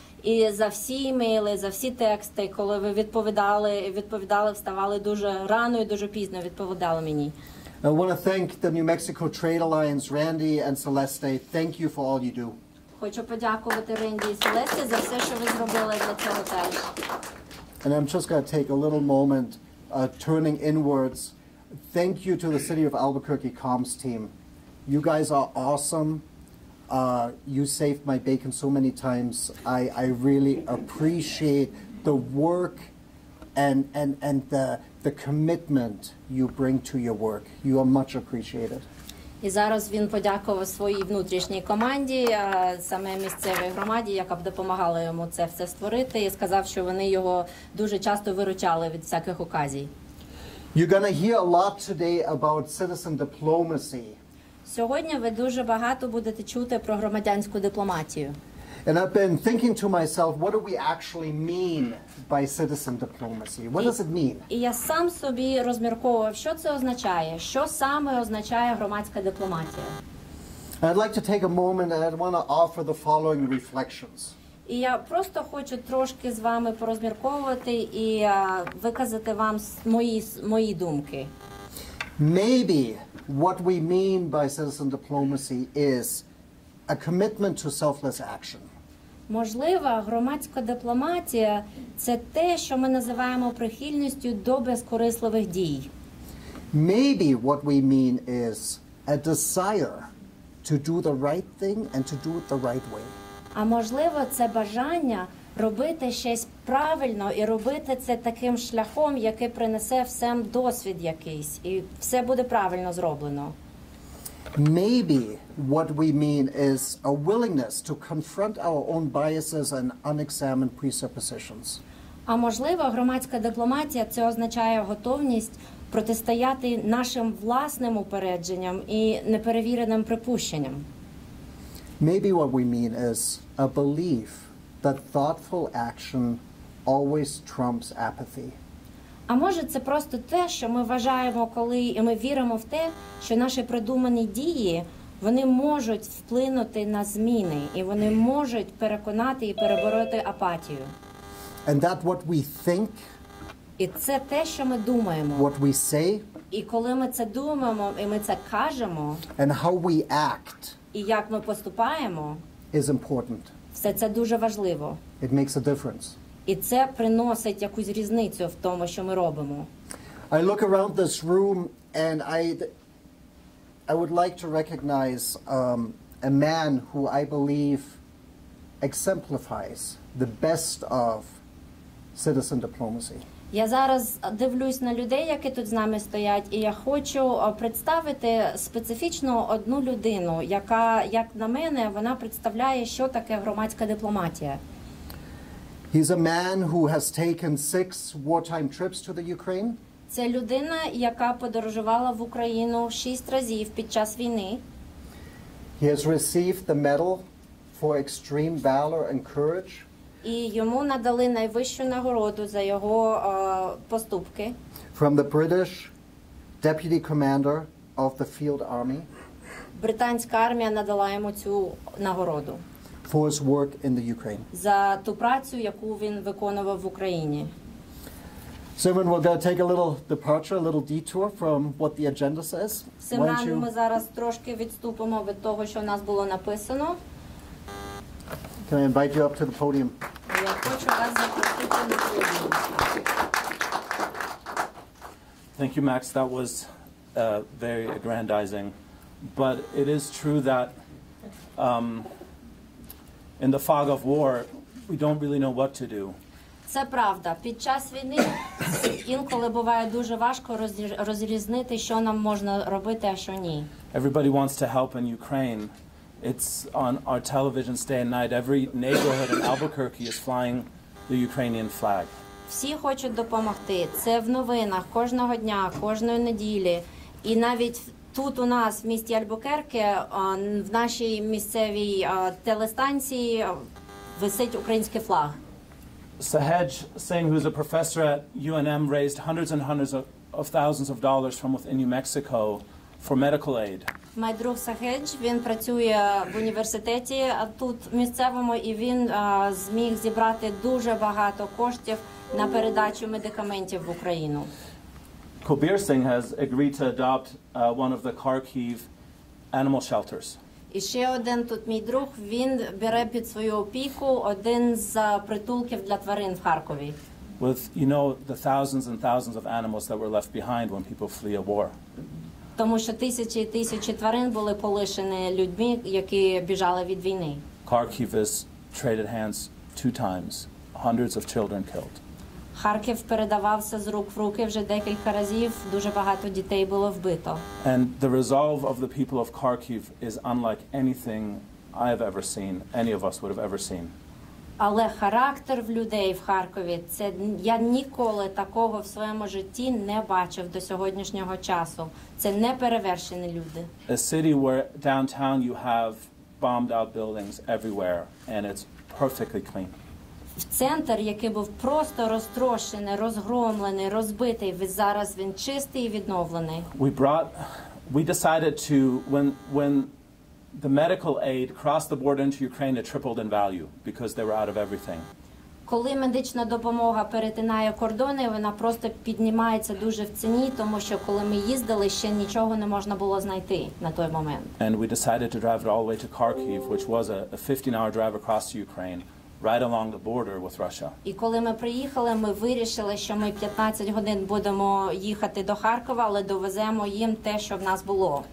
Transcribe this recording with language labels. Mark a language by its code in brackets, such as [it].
[uk] І за всі емейли, за всі тексти, коли ви відповідали, вставали дуже рано і дуже пізно, відповідали мені. [en] I want to thank the New Mexico Trade Alliance, Randy and Celeste. Thank you for all you do. [uk] Хочу подякувати Ренді і Селесті за все, що ви зробили для цього теж. [en] And I'm just going to take a little moment turning inwards. Thank you to the City of Albuquerque comms team. You guys are awesome. You saved my bacon so many times. I really appreciate the work and the commitment you bring to your work. You are much appreciated. [uk] І зараз він подякував своїй внутрішній команді, саме місцевій громаді, яка б допомагала йому це все створити, і сказав, що вони його дуже часто виручали від всяких оказій. [en] You're going to hear a lot today about citizen diplomacy. [uk] Сьогодні ви дуже багато будете чути про громадянську дипломатію. [en] And I've been thinking to myself, what do we actually mean by citizen diplomacy? What does it mean? [uk] І я сам собі розмірковував, що це означає, що саме означає громадська дипломатія. [en] I'd like to take a moment and I'd want to offer the following reflections. [uk] І я просто хочу трошки з вами порозмірковувати і виказати вам мої думки. [en] Maybe what we mean by citizen diplomacy is a commitment to selfless action. [uk] Можливо, громадська дипломатія – це те, що ми називаємо прихильністю до безкорисливих дій. [en] Maybe what we mean is a desire to do the right thing and to do it the right way. [uk] А можливо, це бажання робити щось правильно і робити це таким шляхом, який принесе всім досвід якийсь, і все буде правильно зроблено. [en] Maybe what we mean is a willingness to confront our own biases and unexamined presuppositions. [uk] А можливо, громадська дипломатія – це означає готовність протистояти нашим власним упередженням і неперевіреним припущенням. [en] Maybe what we mean is a belief that thoughtful action always trumps apathy. [uk] А може це просто те, що ми вважаємо, коли і ми віримо в те, що наші придумані дії, вони можуть вплинути на зміни, і вони можуть переконати і перебороти апатію. [en] And that what we think, [uk] і це те, що ми думаємо. [en] What we say, [uk] і коли ми це думаємо, і ми це кажемо, [en] and how we act, [uk] і як ми поступаємо, [en] is important. [uk] Все це дуже важливо. [en] It makes a difference. [uk] І це приносить якусь різницю в тому, що ми робимо. [en] I look around this room and I would like to recognize a man who I believe exemplifies the best of citizen diplomacy. [uk] Я зараз дивлюсь на людей, які тут з нами стоять, і я хочу представити специфічно одну людину, яка, як на мене, вона представляє, що таке громадська дипломатія. [en] He's a man who has taken 6 wartime trips to the Ukraine. [uk] Це людина, яка подорожувала в Україну 6 разів під час війни. [en] He has received the medal for extreme valor and courage. [uk] І йому надали найвищу нагороду за його поступки. [en] From the British Deputy Commander of the Field Army. [uk] Британська армія надала йому цю нагороду. [en] For his work in the Ukraine. [uk] За ту працю, яку він виконував в Україні. [en] Simon, we're going to take a little departure, a little detour from what the agenda says. [uk] Simon, ми зараз трошки відступимо від того, що у нас було написано. [en] Can I invite you up to the podium? [uk] Я хочу вас запросити на подіум. [en] Thank you, Max. That was very aggrandizing. But it is true that in the fog of war, we don't really know what to do. [uk] Це правда. Під час війни інколи буває дуже важко розрізнити, що нам можна робити, а що ні. [en] Everybody wants to help in Ukraine. It's on our television day and night. Every neighborhood in Albuquerque is flying the Ukrainian flag. [uk] Всі хочуть допомогти. Це в новинах кожного дня, кожної неділі. І навіть тут у нас, в місті Альбукерке, в нашій місцевій телестанції висить український флаг. [en] Sahej Singh, who's a professor at UNM, raised hundreds and hundreds of thousands of dollars from within New Mexico for medical aid. [uk] Мій друг Сахедж, він працює в університеті тут місцевому, і він зміг зібрати дуже багато коштів на передачу медикаментів в Україну. [en] Kobir Singh has agreed to adopt one of the Kharkiv animal shelters. [uk] І ще один тут мій друг, він бере під свою опіку один з притулків для тварин в Харкові. [en] With, you know, the thousands and thousands of animals that were left behind when people flee a war. [uk] Тому що тисячі і тисячі тварин були полишені людьми, які біжали від війни. [en] Kharkiv has traded hands two times, hundreds of children killed. [uk] Харків передавався з рук в руки вже декілька разів, дуже багато дітей було вбито. [en] And the resolve of the people of Kharkiv is unlike anything I have ever seen, any of us would have ever seen. [uk] Але характер в людей в Харкові, це я ніколи такого в своєму житті не бачив до сьогоднішнього часу. Це неперевершені люди. [en] A city where downtown you have bombed out buildings everywhere and it's perfectly clean. [uk] В центр, який був просто розтрощений, розгромлений, розбитий, ви зараз він чистий і відновлений. [en] We decided when the medical aid crossed the border into Ukraine, it tripled in value because they were out of everything. [uk] Коли медична допомога перетинає кордони, вона просто піднімається дуже в ціні, тому що коли ми їздили, ще нічого не можна було знайти на той момент. [en] And we decided to drive it all the way to Kharkiv, which was a 15-hour drive across to Ukraine. Right along the border with Russia. [uk] І коли ми приїхали, ми вирішили, що ми 15 годин будемо їхати до Харкова, але довеземо їм те, що в нас було.